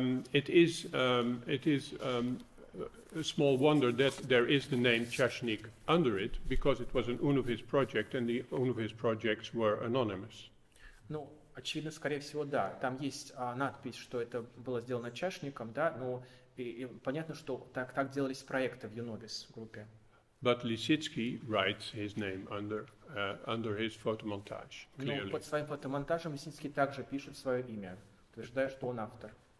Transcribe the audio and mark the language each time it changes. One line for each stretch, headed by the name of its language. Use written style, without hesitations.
English: It is a small wonder that there is the name Chashnich under it, because it was an UNOVIS project, and the UNOVIS projects were anonymous.
Russian: Ну, очевидно, скорее всего, да. Там есть надпись, что это было сделано Чашником, да, но понятно, что так делались проекты в UNOVIS группе.
English: But Lisicki writes his name under his photomontage, clearly.
Russian: Ну, под своим фотомонтажем Лисицкий также пишет свое имя, утверждая, что он автор.